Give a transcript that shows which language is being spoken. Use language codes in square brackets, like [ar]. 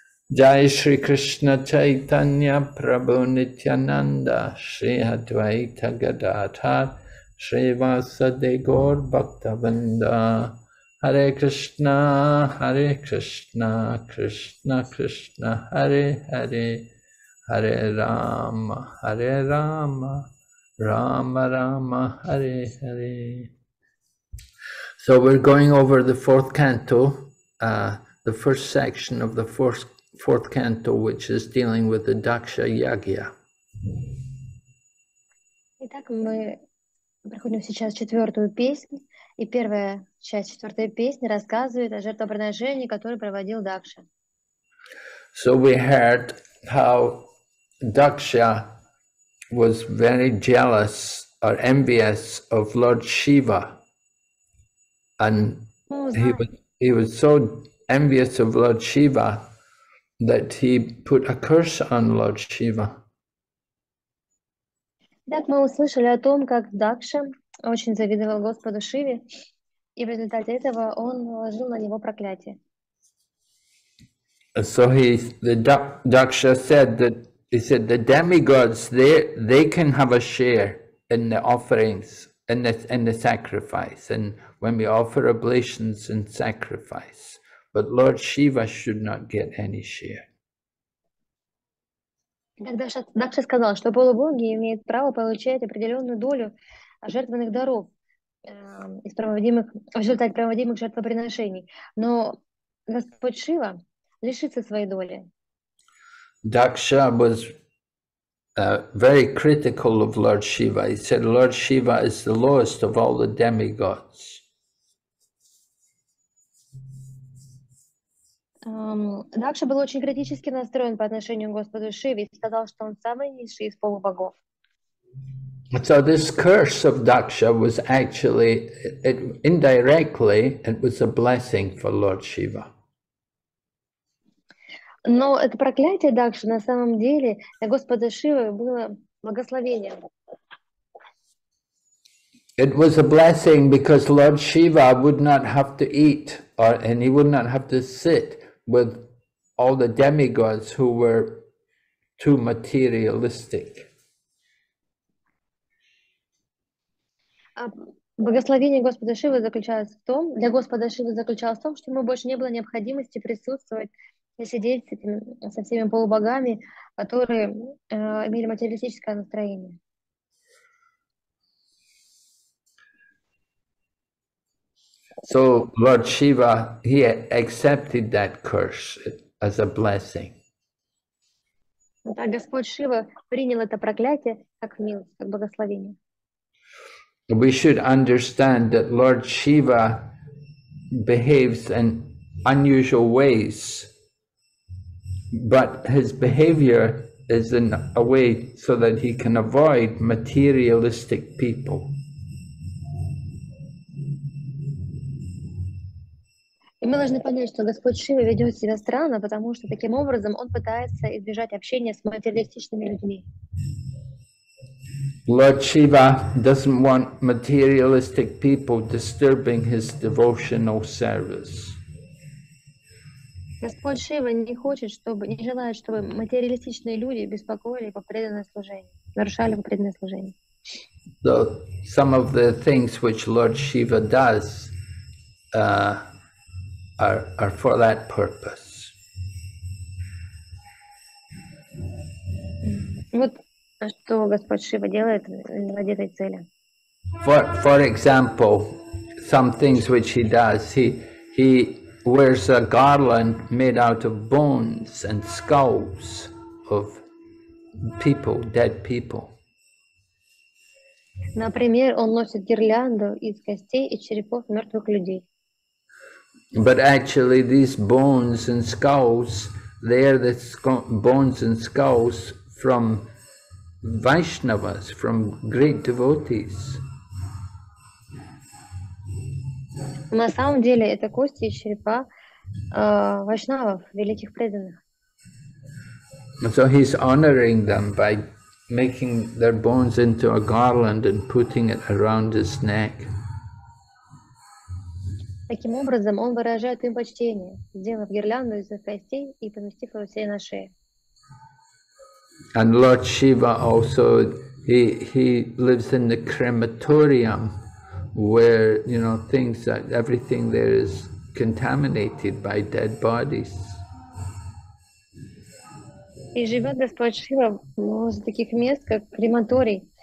[sa] Jai Shri Krishna Chaitanya Prabhu Nityananda Shri Advaita Gadadhar Shri Vasade Gaur Bhaktavinda Hare Krishna, Hare Krishna, Krishna Krishna, Hare Hare, Hare Rama, Hare Rama, Rama Rama, Hare Hare. [en] So we're going over the fourth canto, the first section of the fourth canto, which is dealing with the Daksha Yagya. [ru] Проходим сейчас четвертую песню, и первая часть четвертой песни рассказывает о жертвоприношении, которое проводил Дакша. [en] So we heard how Daksha was very jealous or envious of Lord Shiva, and he was so envious of Lord Shiva that he put a curse on Lord Shiva. [ru] Итак, мы услышали о том, как Дакша очень завидовал Господу Шиве, и в результате этого он наложил на него проклятие. [en] So Daksha said that he said the demigods they can have a share in the offerings in the sacrifice and when we offer oblations and sacrifice, but Lord Shiva should not get any share. [ru] Тогда Дакша сказал, что полубоги имеют право получать определенную долю жертвенных даров в результате проводимых жертвоприношений. Но Господь Шива лишится своей доли. [en] Дакша was very critical of Lord Shiva. He said, Lord Shiva is the lowest of all the demigods. [ru] Дакша был очень критически настроен по отношению к Господу Шиве и сказал, что он самый низший из полубогов. [en] So this curse of Daksha was actually, indirectly, it was a blessing for Lord Shiva. [ru] Но это проклятие Дакши на самом деле для Господа Шивы было благословением. [en] It was a blessing because Lord Shiva would not have to eat or, and he would not have to sit with all the demigods who were too materialistic. [ru] Благословение Господа Шивы заключалось в том, для Господа Шивы заключалось в том, что ему больше не было необходимости присутствовать и сидеть со всеми полубогами, которые имели материалистическое настроение. [en] So Lord Shiva, he accepted that curse as a blessing. [ru] Так Господь Шива принял это проклятие как милость, как благословение. [en] We should understand that Lord Shiva behaves in unusual ways, but his behavior is in a way so that he can avoid materialistic people. [ru] И мы должны понять, что Господь Шива ведет себя странно, потому что таким образом он пытается избежать общения с материалистичными людьми. [en] Lord Shiva doesn't want materialistic people disturbing his devotional service. [ru] Господь Шива не хочет, чтобы, не желает, чтобы материалистичные люди беспокоили его преданное служение, нарушали его преданное служение. [en] So some of the things which Lord Shiva does, are for that purpose. [ru] Вот Что Господь Шива делает ради этой цели? [en] For example, some things which he does, he wears a garland made out of bones and skulls of people, dead people. [ru] Например, он носит гирлянду из костей и черепов мертвых людей. [en] But actually, these bones and skulls, they are the bones and skulls from Vaishnavas, from great devotees. [ru] На самом деле это кости и черепа вайшнавов, великих преданных. [en] So he's honoring them by making their bones into a garland and putting it around his neck. [ru] Таким образом он выражает им почтение, сделав гирлянду из их костей и поместив ее себе на шее. [en] And Lord Shiva also, he lives in the crematorium, where, you know, things that everything there is contaminated by dead bodies. [ru] И живет Господь Шива возле таких мест, как крематорий.